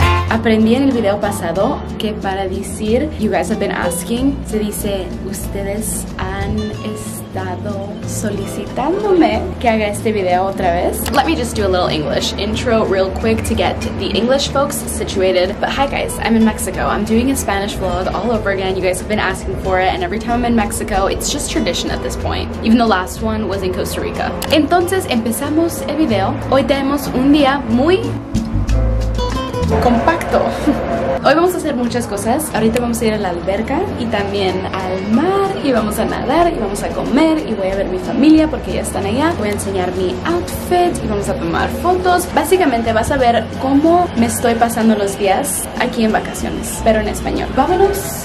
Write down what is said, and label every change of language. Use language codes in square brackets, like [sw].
[es] Aprendí en el video pasado que para decir [en] you guys have been asking, [es] se dice ustedes han estado solicitándome que haga este video otra vez. [en] Let me just do a little English intro real quick to get the English folks situated. But hi guys, I'm in Mexico. I'm doing a Spanish vlog all over again. You guys have been asking for it, and every time I'm in Mexico, it's just tradition at this point. Even the last one was in Costa Rica. [es] Entonces empezamos el video. Hoy tenemos un día muy compacto. Hoy vamos a hacer muchas cosas. Ahorita vamos a ir a la alberca y también al mar, y vamos a nadar y vamos a comer, y voy a ver mi familia porque ya están allá. Voy a enseñar mi outfit y vamos a tomar fotos. Básicamente vas a ver cómo me estoy pasando los días aquí en vacaciones, pero en español. Vámonos.